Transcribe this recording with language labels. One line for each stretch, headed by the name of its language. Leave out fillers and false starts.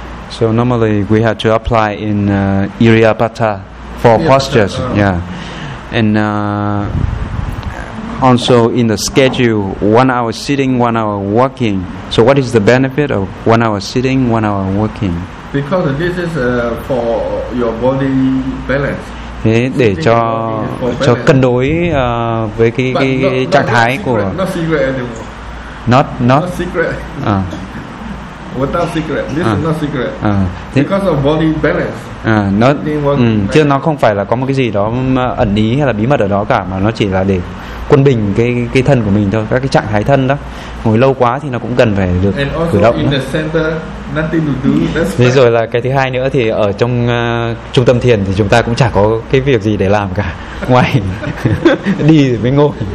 English: So normally we have to apply in Iriapata for postures, and also in the schedule, 1 hour sitting, 1 hour walking. So what is the benefit of 1 hour sitting, 1 hour walking? Because this is for your body balance.
Vietnamese: Thế để cho cân đối với cái trạng thái của.
English: Not secret anymore. Not secret. Without secret, this is not secret. Because of body balance.
Vietnamese: Chứ nó không phải là có một cái gì đó ẩn ý hay là bí mật ở đó cả, mà nó chỉ là để quân bình cái thân của mình thôi, các cái trạng thái thân đó. Ngồi lâu quá thì nó cũng cần phải được khởi động.
English: And also in the center, nothing to do.
Vietnamese: Thế rồi là cái thứ hai nữa thì ở trong trung tâm thiền thì chúng ta cũng chả có cái việc gì để làm cả, ngoài đi mới ngồi.